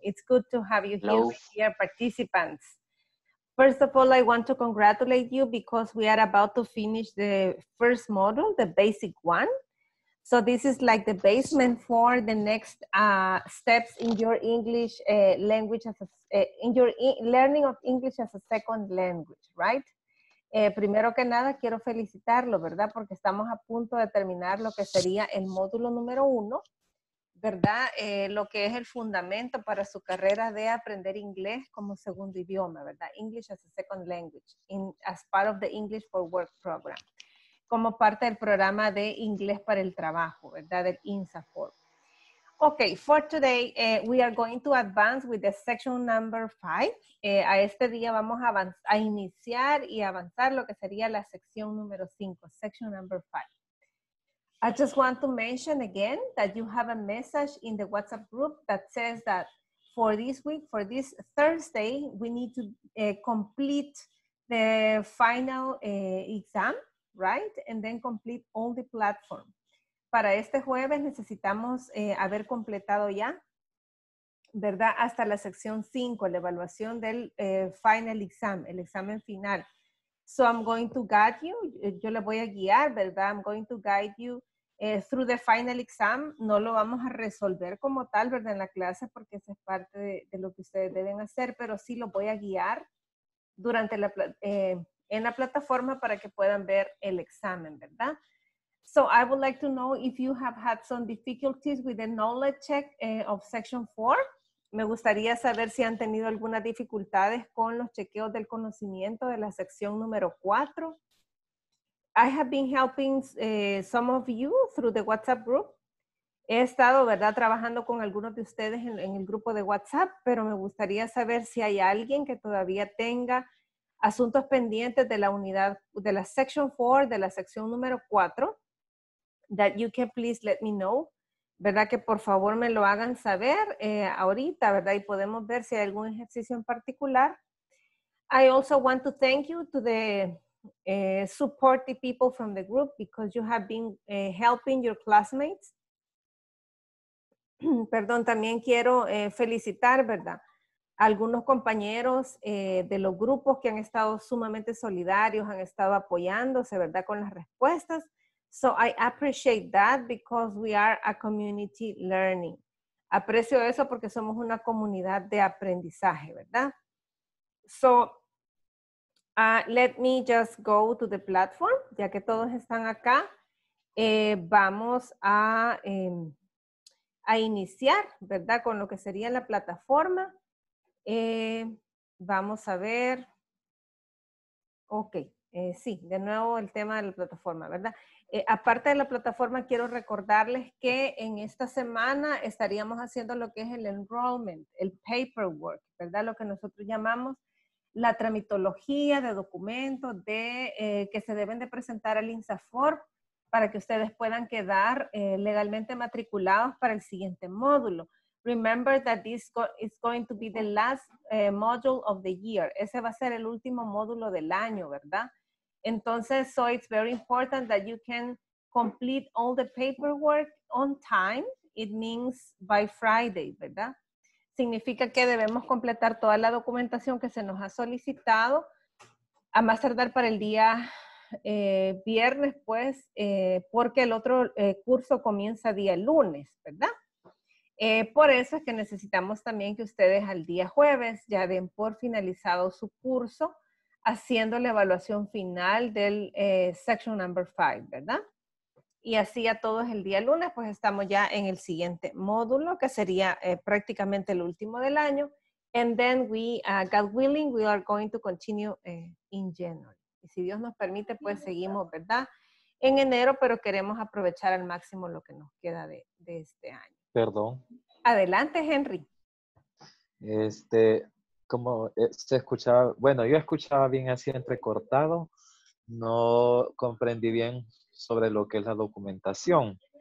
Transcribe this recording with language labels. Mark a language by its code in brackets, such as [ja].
[en] It's good to have you here, dear participants. First of all, I want to congratulate you because we are about to finish the first module, the basic one. So this is like the basement for the next steps in your English language, learning of English as a second language, right? [es] Primero que nada, quiero felicitarlo, ¿verdad? Porque estamos a punto de terminar lo que sería el módulo número uno, ¿verdad? Lo que es el fundamento para su carrera de aprender inglés como segundo idioma, ¿verdad? [en] English as a second language, as part of the English for Work program. [es] Como parte del programa de inglés para el trabajo, ¿verdad? Del INSAFOR. [en] Okay, for today, we are going to advance with the section number 5. [es] A este día vamos a iniciar y avanzar lo que sería la sección número 5, [en] section number 5. I just want to mention again that you have a message in the WhatsApp group that says that for this week, for this Thursday, we need to complete the final exam, right? And then complete all the platform. [es] Para este jueves necesitamos haber completado ya, ¿verdad? Hasta la sección 5, la evaluación del final exam, el examen final. [en] So I'm going to guide you, [es] yo le voy a guiar, ¿verdad? [en] I'm going to guide you through the final exam. [es] No lo vamos a resolver como tal, ¿verdad? En la clase, porque esa es parte de lo que ustedes deben hacer, pero sí lo voy a guiar durante la, en la plataforma para que puedan ver el examen, ¿verdad? [en] So I would like to know if you have had some difficulties with the knowledge check of section 4. [es] Me gustaría saber si han tenido algunas dificultades con los chequeos del conocimiento de la sección número 4. [en] I have been helping some of you through the WhatsApp group. [es] He estado, ¿verdad?, trabajando con algunos de ustedes en el grupo de WhatsApp, pero me gustaría saber si hay alguien que todavía tenga asuntos pendientes de la unidad, de la section 4, de la sección número 4. [en] That you can please let me know, [es] ¿verdad? Que por favor me lo hagan saber ahorita, ¿verdad? Y podemos ver si hay algún ejercicio en particular. [en] I also want to thank you to the supportive people from the group because you have been helping your classmates. [es] Perdón, también quiero felicitar, ¿verdad? Algunos compañeros de los grupos que han estado sumamente solidarios, han estado apoyándose, ¿verdad? Con las respuestas. [en] So I appreciate that because we are a community learning. [es] Aprecio eso porque somos una comunidad de aprendizaje, ¿verdad? [en] So let me just go to the platform, [es] ya que todos están acá. Vamos a iniciar, ¿verdad? Con lo que sería la plataforma. Vamos a ver. Ok, sí, de nuevo el tema de la plataforma, ¿verdad? Aparte de la plataforma, quiero recordarles que en esta semana estaríamos haciendo lo que es el enrollment, el paperwork, ¿verdad? Lo que nosotros llamamos la tramitología de documentos de, que se deben de presentar al INSAFOR para que ustedes puedan quedar legalmente matriculados para el siguiente módulo. [en] Remember that this is going to be the last module of the year. [es] Ese va a ser el último módulo del año, ¿verdad? [en] Entonces, so it's very important that you can complete all the paperwork on time. It means by Friday, [es] ¿verdad? Significa que debemos completar toda la documentación que se nos ha solicitado a más tardar para el día viernes, pues, porque el otro curso comienza día lunes, ¿verdad? Por eso es que necesitamos también que ustedes al día jueves ya den por finalizado su curso, haciendo la evaluación final del [en] section number 5, [es] ¿verdad? Y así a todos el día lunes, pues estamos ya en el siguiente módulo, que sería prácticamente el último del año. [en] And then we, God willing, we are going to continue in January. [es] Y si Dios nos permite, pues seguimos, ¿verdad? En enero, pero queremos aprovechar al máximo lo que nos queda de este año. Perdón. Adelante, Henry. Como se escuchaba, bueno, yo escuchaba bien así entrecortado, no comprendí bien sobre lo que es la documentación.